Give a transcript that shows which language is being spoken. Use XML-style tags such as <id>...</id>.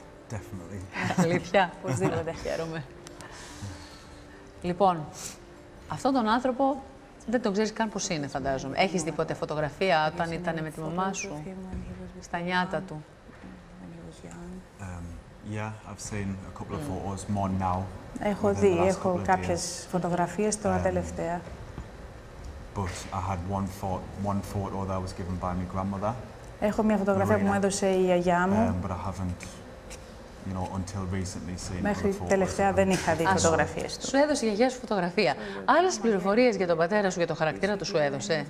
<en>Definitely.</en> <el>Αλήθεια. Πώς δίνονται, χαίρομαι. Λοιπόν, αυτόν τον άνθρωπο δεν τον ξέρεις καν πώς είναι, φαντάζομαι. Έχεις δει ποτέ φωτογραφία όταν ήταν με τη μαμά σου, στα νιάτα του?</el> <en>Yeah, I've seen a couple of photos, more now.</en> <el>Έχω δει, έχω κάποιες φωτογραφίες τώρα τελευταία.</el> <en>But I had one photo that was given by my grandmother.</en> <el>Έχω μια φωτογραφία που μου έδωσε η γιαγιά μου.</el> <en>But I haven't, you know, until recently seen.</en> <el>Μέχρι τελευταία δεν είχα δει φωτογραφίες του. Σου έδωσε η γιαγιά σου φωτογραφία. Άλλες πληροφορίες για τον πατέρα σου, για το χαρακτήρα του σου έδωσε?</el>